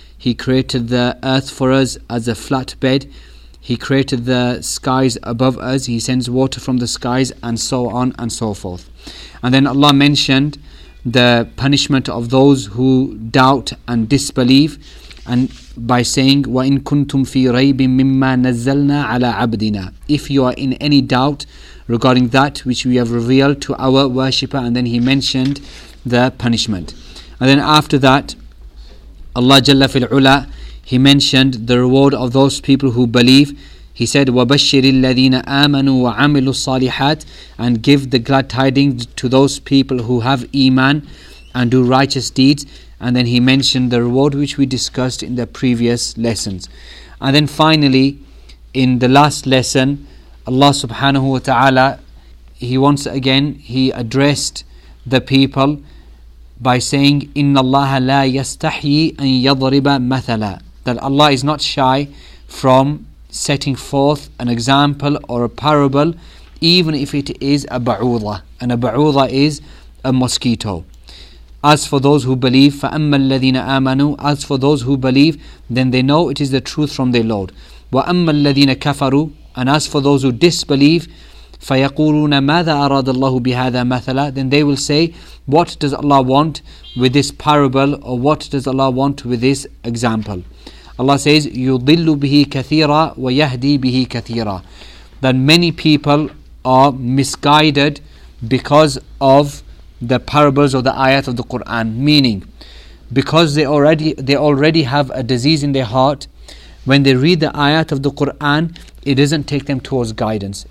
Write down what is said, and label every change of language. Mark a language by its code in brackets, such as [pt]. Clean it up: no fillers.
[en] He created the earth for us as a flat bed. He created the skies above us. He sends water from the skies and so on and so forth. And then Allah mentioned the punishment of those who doubt and disbelieve. And by saying, [ar] وَإِن كُنْتُمْ فِي رَيْبٍ مِمَّا نَزَّلْنَا عَلَى عَبْدِنَا. [en] If you are in any doubt regarding that which we have revealed to our worshipper. And then He mentioned the punishment. And then after that, Allah Jalla fil Ula, He mentioned the reward of those people who believe. He said, [ar] وَبَشِّرِ الَّذِينَ آمَنُوا وَعَمِلُوا الصَّالِحَاتِ. [en] And give the glad tidings to those people who have iman and do righteous deeds. And then He mentioned the reward which we discussed in the previous lessons. And then finally, in the last lesson, Allah subhanahu wa ta'ala, He once again, He addressed the people by saying, [ar] إِنَّ اللَّهَ لَا يَسْتَحْيِي أَن يَضْرِبَ مَثَلًا. [en] That Allah is not shy from setting forth an example or a parable, even if it is a ba'udha. And a ba'udha is a mosquito. As for those who believe, [ar] فَأَمَّا الَّذِينَ آمَنُوا. [en] As for those who believe, then they know it is the truth from their Lord. [ar] وَأَمَّا الَّذِينَ كَفَرُوا. [en] And as for those who disbelieve, [ar] فَيَقُولُونَ مَاذَا أَرَادَ اللَّهُ بِهَذَا مَثَلًا. [en] Then they will say, what does Allah want with this parable, or what does Allah want with this example? Allah says, [ar] يُضِلُّ بِهِ كَثِيرًا وَيَهْدِي بِهِ كَثِيرًا. [en] Then many people are misguided because of the parables or the ayat of the Quran. Meaning, because they already have a disease in their heart, when they read the ayat of the Quran, it doesn't take them towards guidance.